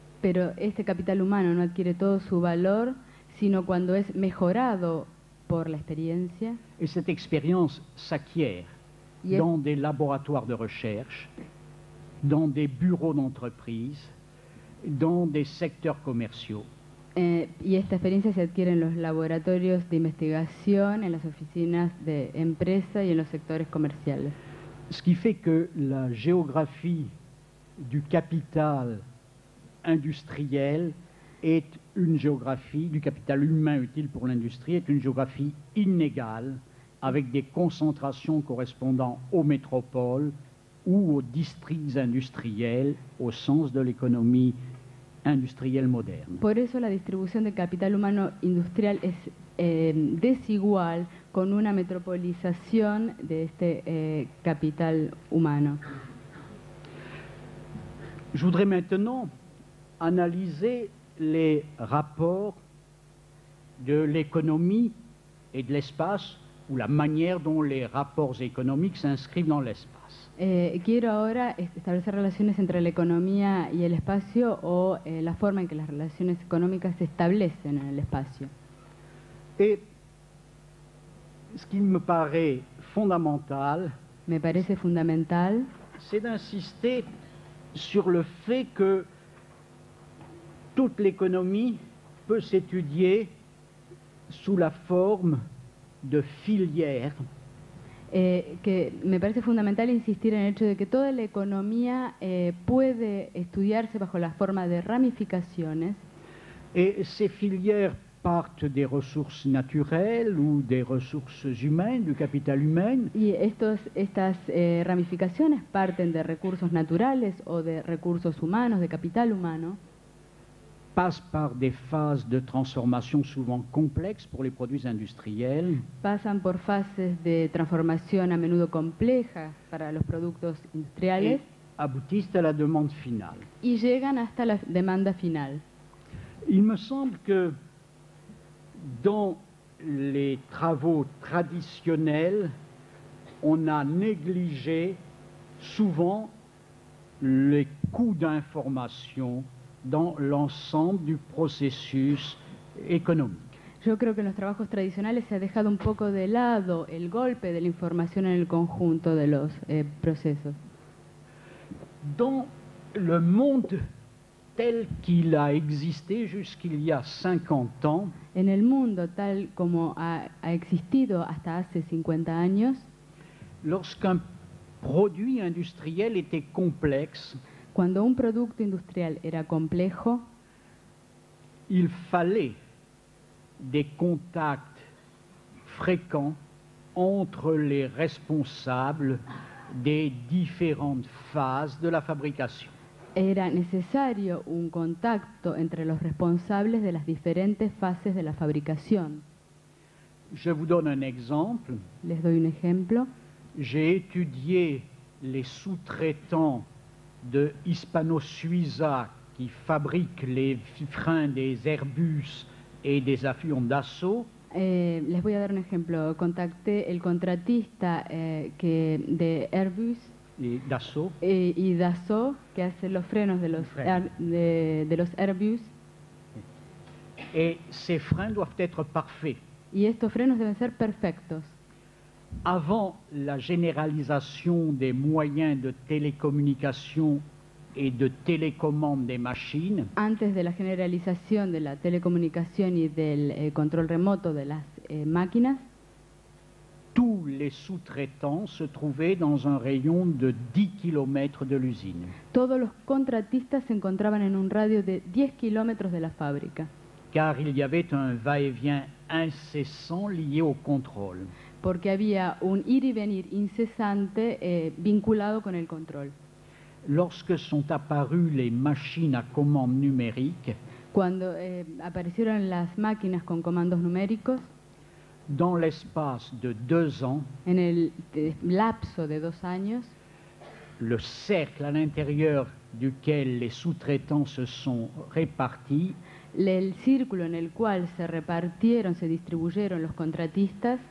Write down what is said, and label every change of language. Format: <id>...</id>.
<es>Pero este capital humano no adquiere todo su valor sino cuando es mejorado por la experiencia.</es> <fr>Et cette expérience s'acquiert dans des laboratoires de recherche, dans des bureaux d'entreprise, dans des secteurs commerciaux.</fr> <es>Y esta experiencia se adquiere en los laboratorios de investigación, en las oficinas de empresa y en los sectores comerciales.</es> <fr>Ce qui fait que la géographie du capital industriel est une géographie du capital humain utile pour l'industrie, est une géographie inégale, avec des concentrations correspondant aux métropoles ou aux districts industriels au sens de l'économie industrielle moderne.</fr> <es>Por eso la distribución de capital humano industrial es desigual con una metropolización de este capital humano.</es> <fr>Je voudrais maintenant analyser les rapports de l'économie et de l'espace, ou la manière dont les rapports économiques s'inscrivent dans l'espace.</fr> <es>Quiero ahora establecer relaciones entre la economía y el espacio o la forma en que las relaciones económicas se establecen en el espacio.</es> <fr>Et ce qui me paraît fondamental,</fr> <es>me parece fundamental,</es> <fr>c'est d'insister sur le fait que toute l'économie peut s'étudier sous la forme de filières.</fr> <es>Que me parece fundamental insistir en el hecho de que toda la economía puede estudiarse bajo la forma de ramificaciones.</es> <fr>Et ces filières partent des ressources naturelles ou des ressources humaines, du capital humain.</fr> <es>Y estas ramificaciones parten de recursos naturales o de recursos humanos, de capital humano.</es> <fr>Passent par des phases de transformation souvent complexes pour les produits industriels.</fr> <es>Pasan por fases de transformación a menudo compleja para los productos industriales.</es> <fr>Et aboutissent à la demande finale.</fr> <es>Y llegan hasta la demanda final.</es> <fr>Il me semble que dans les travaux traditionnels, on a négligé souvent les coûts d'information dans l'ensemble du processus économique.</fr> <es>Yo creo que en los trabajos tradicionales se ha dejado un poco de lado el golpe de la información en el conjunto de los procesos.</es> <fr>Dans le monde tel qu'il a existé jusqu'il y a 50 ans,</fr> <es>en el mundo tal como ha existido hasta hace 50 años,</es> <fr>lorsqu'un produit industriel était complexe,</fr> <es>cuando un producto industrial era complejo,</es> <fr>il fallait des contacts fréquents entre les responsables des différentes phases de la fabrication.</fr> <es>Era necesario un contacto entre los responsables de las diferentes fases de la fabricación.</es> <fr>Je vous donne un exemple.</fr> <es>Les doy un ejemplo.</es> <fr>J'ai étudié les sous-traitants de Hispano-Suiza qui fabriquent les freins des Airbus et des avions d'assaut.</fr> <es>Les voy a dar un ejemplo. Contacté el contratista que de Airbus y Dassault que hace los frenos de los de los Airbus.</es> <fr>Et ces freins doivent être parfaits.</fr> <es>Y estos frenos deben ser perfectos.</es> <fr>Avant la généralisation des moyens de télécommunication et de télécommande des machines.</fr> <es>Antes de la generalización de la telecomunicación y del control remoto de las máquinas,</es> <fr>tous les sous-traitants se trouvaient dans un rayon de 10 km de l'usine.</fr> <es>Todos los contratistas se encontraban en un radio de 10 km de la fábrica.</es> <fr>Car il y avait un va-et-vient incessant lié au contrôle.</fr> <es>Porque había un ir y venir incesante vinculado con el control.</es> <fr>Lorsque sont apparues les machines à commande numérique,</fr> <es>cuando aparecieron las máquinas con comandos numéricos,</es> <fr>dans l'espace de 2 ans,</fr> <es>en el lapso de 2 años,</es> <fr>le cercle à l'intérieur duquel les sous-traitants se sont répartis,</fr> <es>el círculo en el cual se distribuyeron los contratistas,</es>